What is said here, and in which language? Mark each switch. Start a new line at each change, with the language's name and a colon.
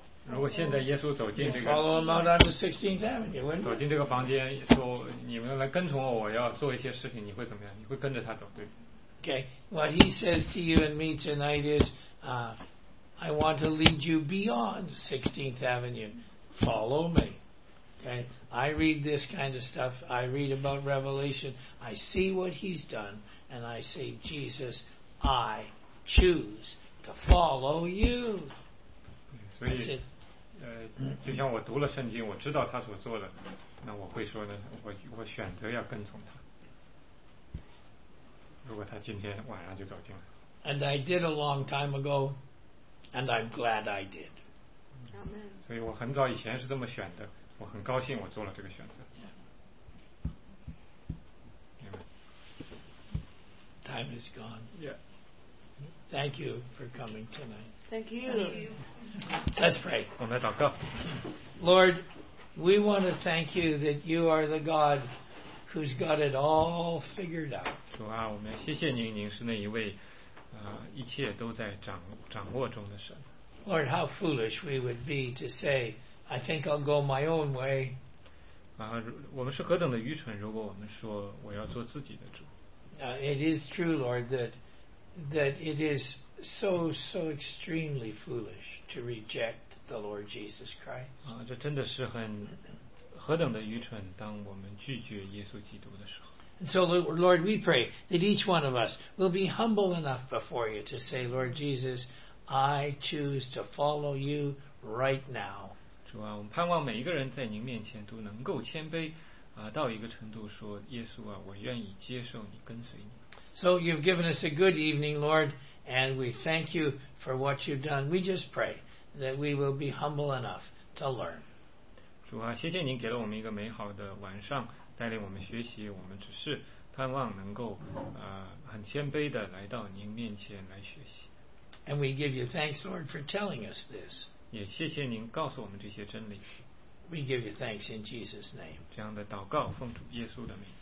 Chinese: 如果现在耶稣走进这个
English: follow him out on the 16th Avenue.
Chinese: 走进这个房间，说你们来跟从我，我要做一些事情，你会怎么样？你会跟着他走，对
English: ？Okay. What he says to you and me tonight is, I want to lead you beyond 16th Avenue. Follow me. Okay, I read this kind of stuff. I read about Revelation. I see what he's done, and I say, Jesus, I choose to follow you.
Chinese: 所以，就像我读了圣经，我知道他所做的，那我会说呢，我选择要跟从他。如果他今天晚上就走进来。
English: And I did a long time ago, and I'm glad I did. Amen.
Chinese: 所以我很早以前是这么选的。我很高兴我做了这个选择。
English: Time is gone. Yeah. Thank you for coming tonight. Thank you. Let's pray.
Chinese: 我们来祷告。
English: Lord, we want to thank you that you are the God who's got it all figured out.
Chinese: 主啊，我们谢谢您，您是那一位，一切都在掌握中的神。
English: Lord, how foolish we would be to say. I think I'll go my own way.
Chinese: 我们是何等的愚蠢，如果我们说我要做自己的主。
English: It is true, Lord, that it is so extremely foolish to reject the Lord Jesus Christ.
Chinese: 这真的是很何等的愚蠢，当我们拒绝耶稣基督的时候。
English: And so, Lord, we pray that each one of us will be humble enough before you to say, Lord Jesus, I choose to follow you right now.
Chinese: 主啊，我们盼望每一个人在您面前都能够谦卑，到一个程度说，耶稣啊，我愿意接受你，跟随你。
English: So you've given us a good evening, Lord, and we thank you for what you've done. We just pray that we will be humble enough to learn.
Chinese: 主啊，谢谢您给了我们一个美好的晚上，带领我们学习。我们只是盼望能够很谦卑的来到您面前来学习。
English: And we give you thanks, Lord, for telling us this.
Chinese: 也谢谢您告诉我们这些真理。
English: We give you thanks in Jesus' name.
Chinese: 这样的祷告奉主耶稣的名。